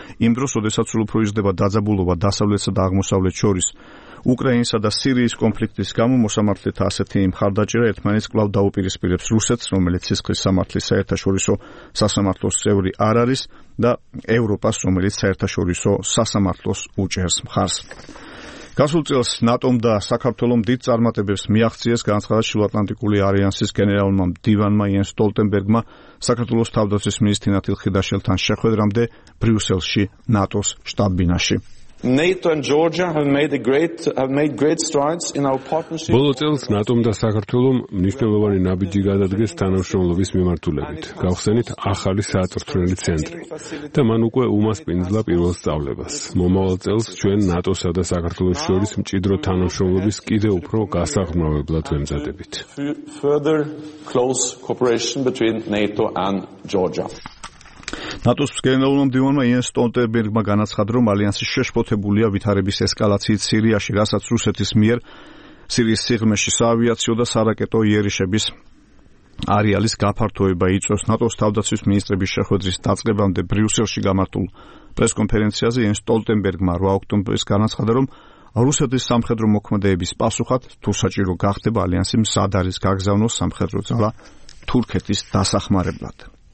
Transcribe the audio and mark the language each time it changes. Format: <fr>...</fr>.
<ka>იმ დროს, როდესაც სულ უფრო იზრდება დაძაბულობა დასავლეთსა და აღმოსავლეთ შორის უკრაინისა და სირიის კონფლიქტის გამო, მოსამართლეთა ასეთი მხარდაჭერა ერთმანეთს კვლავ დაუპირისპირებს რუსეთს, რომელიც სისხლის სამართლის საერთაშორისო სასამართლოს წევრი არ არის, და ევროპას, რომელიც საერთაშორისო სასამართლოს უჭერს მხარს. გასულ წელს ნატომ და საქართველომ დიდ წარმატებებს მიაღწიეს, განაცხადა შუაატლანტიკული ალიანსის გენერალმა მდივანმა იენს სტოლტენბერგმა საქართველოს თავდაცვის მინისტრთან ნათილ ხიდაშელთან შეხვედრამდე ბრიუსელში ნატოს შტაბ-ბინაში.</ka> <en>NATO and Georgia have made great strides in our partnership.</en> <ka>ბოლო წელს ნატომ და საქართველოს მნიშვნელოვანი ნაბიჯი გადადგეს თანამშრომლობის მიმართულებით. გავხსენით ახალი საწრთველი ცენტრი და მან უკვე უმასპინძლა პირველ სწავლებას. მომავალ წელს ჩვენ ნატოსა და საქართველოს შორის მჭიდრო თანამშრომლობის კიდევ უფრო გასაღრმავებლად ემზადებით.</ka> <en>Further close cooperation between NATO and Georgia.</en> <ka>ნატოს გენერალურმა მდივანმა იენს სტოლტენბერგმა განაცხადა, რომ ალიანსი შეშფოთებულია ვითარების ესკალაციით სირიაში, რასაც რუსეთის მიერ სირიის სიღრმეში საავიაციო და სარაკეტო იერიშების არეალის გაფართოება იწვევს. ნატოს თავდაცვის მინისტრების შეხვედრის დაწყებამდე ბრიუსელში გამართულ პრესკონფერენციაზე იენს სტოლტენბერგმა 8 ოქტომბერს განაცხადა, რომ რუსეთის სამხედრო მოქმედების პასუხად თუ საჭირო გახდება, ალიანსი მზად არის გაგზავნოს სამხედრო ძალა თურქეთის დასახმარებლად.</ka>